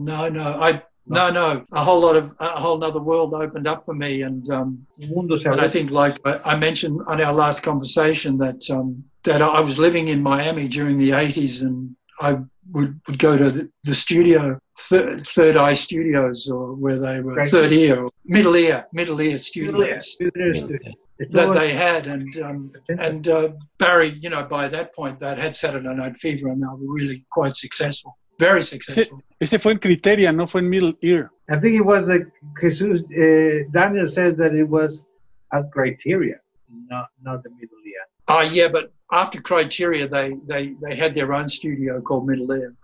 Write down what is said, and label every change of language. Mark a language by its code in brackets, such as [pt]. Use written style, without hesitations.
[en] No, a whole nother world opened up for me, and I think, like I mentioned on our last conversation, that I was living in Miami during the 80s, and I would go to the studio, Third Eye Studios, or where they were, right. Third Ear, or Middle Ear Studios, that they had, and Barry, you know, by that point, that had Saturday Night Fever, and they were really quite successful. Very successful. [es] Ese fue en Criteria, no fue en Middle Ear. [en] I think it was like Jesus, Daniel says that it was at Criteria, not the Middle Ear. Oh, yeah, but after Criteria, they had their own studio called Middle Ear.